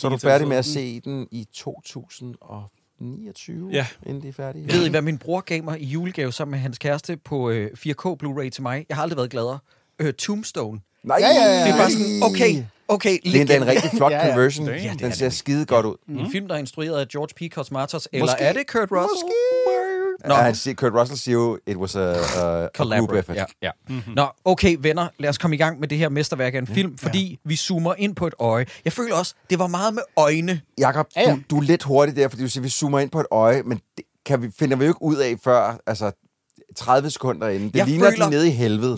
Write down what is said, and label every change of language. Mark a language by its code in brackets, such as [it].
[da] Så er du færdig med at se den i 2029, inden det er færdig? Ved I, hvad min bror gav mig i julegave sammen med hans kæreste på 4K Blu-ray til mig? Jeg har aldrig været gladere. Tombstone. Nej, ja, ja, ja. Det er bare sådan, okay, okay. Det er en rigtig flot conversion. Ja, ja. Den ser skide godt ud. Mm. En film, der er instrueret af George P. Cosmatos, eller er det Kurt Russell? Måske. Nå. Ja, Kurt Russell siger jo, [en] it was a group effort. [da] Ja, ja. Mm-hmm. Nå, okay, venner, lad os komme i gang med det her mesterværk af en film, fordi vi zoomer ind på et øje. Jeg føler også, det var meget med øjne. Jakob, du er lidt hurtig der, fordi du siger, vi zoomer ind på et øje, men det kan vi, finder vi jo ikke ud af før, altså 30 sekunder inden. Det jeg ligner, at de er nede i helvede.